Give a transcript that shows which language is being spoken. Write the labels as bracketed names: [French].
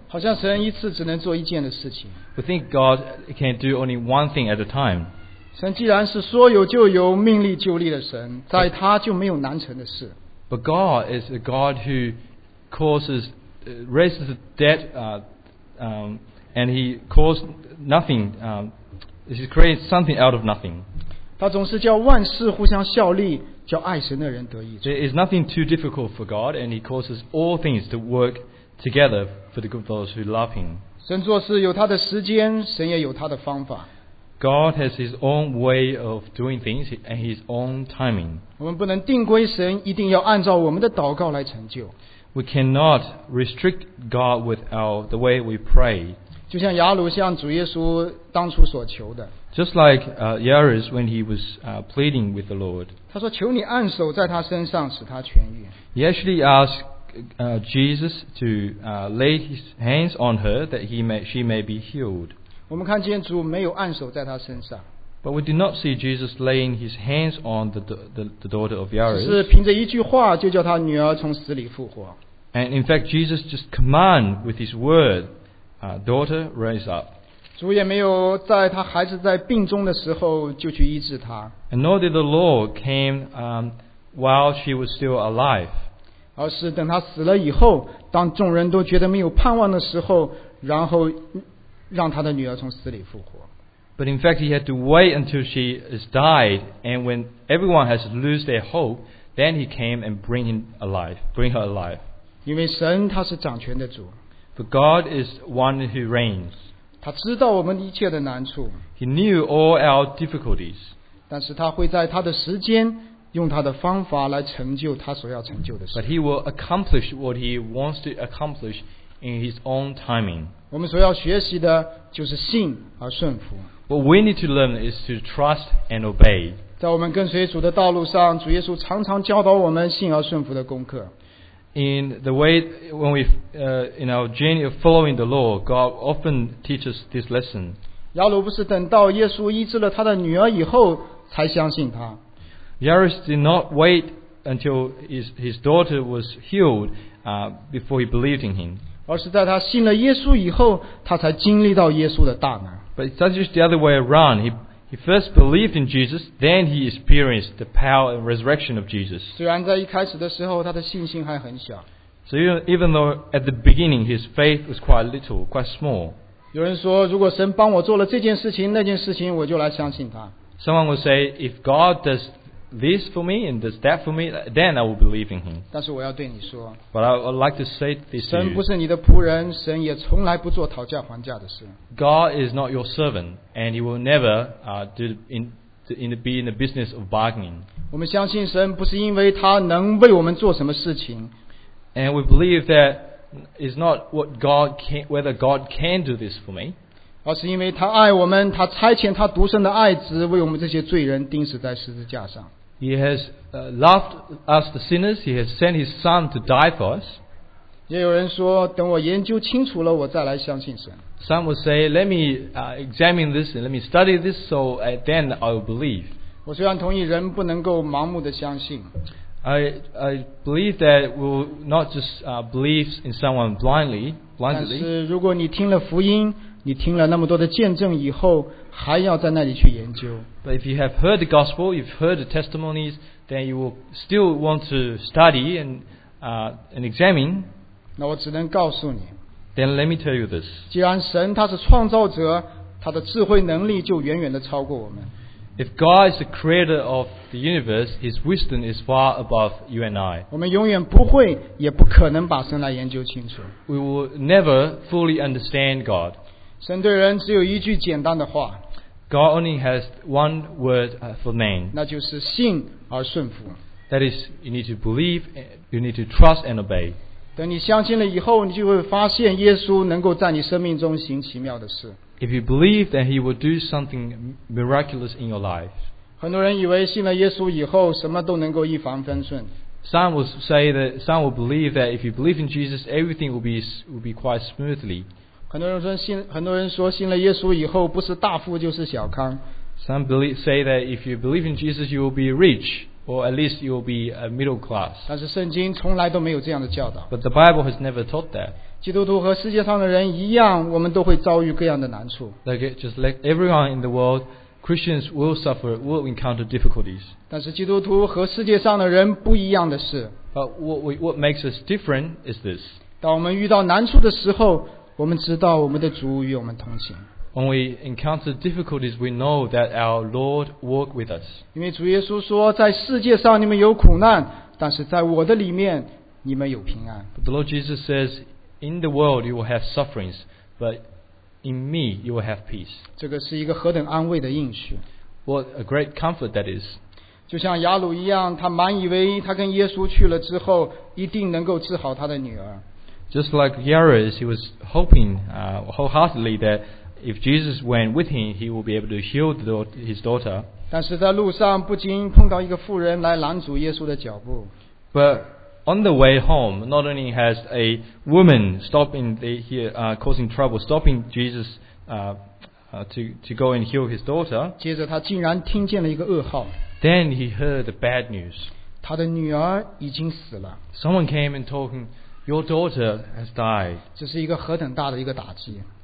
[Chinese] 好像神一次只能做一件的事情。 [English] We think God can do only one thing at a time. [Chinese] 神既然是说有就有、命立就立的神，在他就没有难成的事。 [English] But God is a God who raises the dead, and He causes nothing. He creates something out of nothing. [Chinese] 他总是叫万事互相效力，叫爱神的人得益处。 [English] There is nothing too difficult for God, and He causes all things to work together for the good of those who love Him. [Chinese] 神做事有他的时间，神也有他的方法。 [English] God has His own way of doing things and His own timing. [Chinese] 我们不能定规神，一定要按照我们的祷告来成就。 [English] We cannot restrict God with the way we pray. [Chinese] 就像雅鲁向主耶稣当初所求的。 [English] Just like Jairus when he was pleading with the Lord. [Chinese] 他说：“求你按手在他身上，使他痊愈。” [English] He actually asked Jesus to lay his hands on her that she may be healed. [Chinese] 我们看见主没有按手在他身上。 [English] But we did not see Jesus laying his hands on the daughter of Jairus. [Chinese] 只是凭着一句话就叫他女儿从死里复活。 [English] And in fact, Jesus just command with his word, daughter, raise up. [Chinese] 主也没有在他孩子在病中的时候就去医治他。 [English] And nor did the Lord came while she was still alive. [Chinese] 而是等他死了以后，当众人都觉得没有盼望的时候，然后。让他的女儿从死里复活。 [English] But in fact, he had to wait until she is died, and when everyone has lost their hope, then he came and bring her alive. [Chinese] 因为神他是掌权的主。 [English] For God is one who reigns. [Chinese] 他知道我们一切的难处。 [English] He knew all our difficulties. [Chinese] 但是他会在他的时间，用他的方法来成就他所要成就的事。 [English] But he will accomplish what he wants to accomplish in his own timing. [Chinese] 我们所要学习的就是信而顺服。 [English] What we need to learn is to trust and obey. [Chinese] 在我们跟随主的道路上，主耶稣常常教导我们信而顺服的功课。 [English] In the way when we in our journey of following the law, God often teaches this lesson. [Chinese] 雅鲁不是等到耶稣医治了他的女儿以后才相信他。 [English] Jairus did not wait until his daughter was healed before he believed in him. [Chinese] 而是在他信了耶稣以后，他才经历到耶稣的大能。 [English] But that's just the other way around. He first believed in Jesus, then he experienced the power and resurrection of Jesus. [Chinese] 虽然在一开始的时候，他的信心还很小。 [English] So even though at the beginning his faith was quite little, quite small. [Chinese] 有人说，如果神帮我做了这件事情、那件事情，我就来相信他。 [English] Someone would say, if God does this for me and does that for me, then I will believe in him. [Chinese] 但是我要对你说， [English] But I would like to say this to you. [Chinese] 神不是你的仆人，神也从来不做讨价还价的事。 [English] God is not your servant, and he will never be in the business of bargaining. [Chinese] 我们相信神不是因为他能为我们做什么事情。 [English] And we believe that it's not what God can, whether God can do this for me. [Chinese] 而是因为他爱我们，他差遣他独生的爱子为我们这些罪人钉死在十字架上。 [English] He has loved us the sinners. He has sent his son to die for us. [Chinese] 也有人说，等我研究清楚了，我再来相信神。 [English] Some would say, let me examine this and let me study this, so then I will believe. [Chinese] 我虽然同意人不能够盲目的相信。 [English] I believe that we'll not just believe in someone blindly. [Chinese] 但是如果你听了福音。你听了那么多的见证以后，还要在那里去研究。 [English] But if you have heard the gospel, you've heard the testimonies, then you will still want to study and examine. [Chinese] 那我只能告诉你。 [English] Then let me tell you this. [Chinese] 既然神他是创造者，他的智慧能力就远远的超过我们。 [English] If God is the creator of the universe, His wisdom is far above you and I. [Chinese] 我们永远不会，也不可能把神来研究清楚。 [English] We will never fully understand God. [Chinese] 神对人只有一句简单的话。 [English] God only has one word for man. [Chinese] 那就是信而顺服。 [English] That is, you need to believe, you need to trust and obey. [Chinese] 等你相信了以后，你就会发现耶稣能够在你生命中行奇妙的事。 [English] If you believe, then he will do something miraculous in your life. [Chinese] 很多人以为信了耶稣以后，什么都能够一帆风顺。 [English] Some will believe that if you believe in Jesus, everything will be quite smoothly. [Chinese] 很多人说信了耶稣以后不是大富就是小康。 [English] Some believe say that if you believe in Jesus, you will be rich, or at least you will be a middle class. [Chinese] 但是圣经从来都没有这样的教导。 [English] But the Bible has never taught that. [Chinese] 基督徒和世界上的人一样，我们都会遭遇各样的难处。 [English] Like just like everyone in the world, Christians will suffer, will encounter difficulties. [Chinese] 但是基督徒和世界上的人不一样的是。 [English] But what makes us different is this. [Chinese] 当我们遇到难处的时候。我们知道我们的主与我们同行。 [English] When we encounter difficulties, we know that our Lord walks with us. [Chinese] 因为主耶稣说，在世界上你们有苦难，但是在我的里面你们有平安。 [English] But the Lord Jesus says, in the world you will have sufferings, but in me you will have peace. [Chinese] 这个是一个何等安慰的应许。 [English] What a great comfort that is. [Chinese] 就像雅鲁一样，他满以为他跟耶稣去了之后，一定能够治好他的女儿。 [English] Just like Jairus, he was hoping wholeheartedly that if Jesus went with him, he will be able to heal his daughter. [Chinese] 但是在路上不仅碰到一个妇人来拦阻耶稣的脚步。 [English] But on the way home, not only has a woman stopping here, causing trouble, stopping Jesus to go and heal his daughter. [Chinese] 接着他竟然听见了一个噩耗。 [English] Then he heard the bad news. [Chinese] 他的女儿已经死了。 [English] Someone came and told him,Your daughter has died. [Chinese] 这是一个何等大的一个打击。